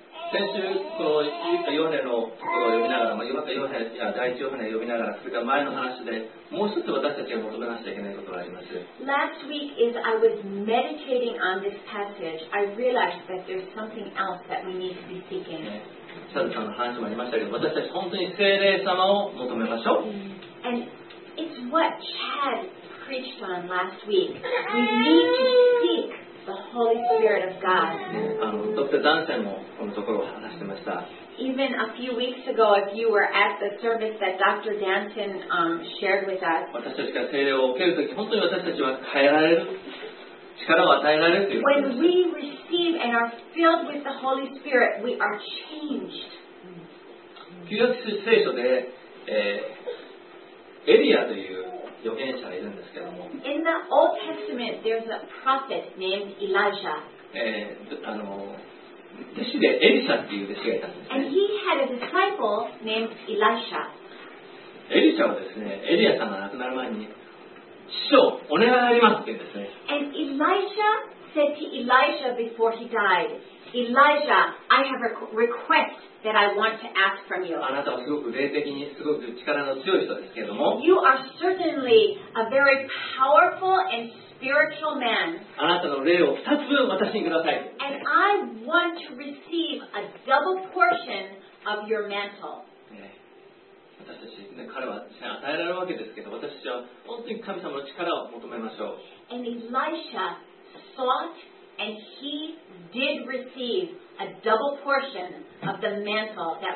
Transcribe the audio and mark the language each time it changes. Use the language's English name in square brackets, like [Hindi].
[Japanese] 先週このヨハネのところを読みながら、ヨハネや第一ヨハネを読みながら、それから前の話でもう一つ私たちが求めなくちゃいけないことがあります。 [English] Last week, as I was meditating on this passage, I realized that there's something else that we need to be seeking. [Japanese] サルさんの話もありましたけど、私たち本当に聖霊様を求めましょう。 [English] And it's what Chad preached on last week. We need to seek the Holy Spirit of God. [Japanese] ドクター・ダンセンもこのところを話してました。 [English] Even a few weeks ago, if you were at the service that Dr. Danton, shared with us, [Japanese] 私たちが聖霊を受けるとき、本当に私たちは変えられる。 [English] When we receive and are filled with the Holy Spirit, we are changed. [Japanese] 旧約聖書で、エリアという預言者がいるんですけども。 [English] In the Old Testament, there's a prophet named Elijah. [Japanese] 弟子でエリサっていう弟子がいたんですね。 [English] And he had a disciple named Elisha. [Japanese] エリサはですね、エリア様が亡くなる前に。師匠、お願いありますって言うんですね。 [English] And Elijah said to Elijah before he died, Elijah, I have a request that I want to ask from you. [Japanese] あなたはすごく霊的にすごく力の強い人ですけれども。 [English] You are certainly a very powerful and spiritual man. [Japanese] あなたの霊を2つ分私にください。 [English] And I want to receive a double portion of your mantle. [Japanese] 彼は与えられるわけですけど、私たちは本当に神様の力を求めましょう。 [English] And Elisha sought and he did receive a double portion of the mantle that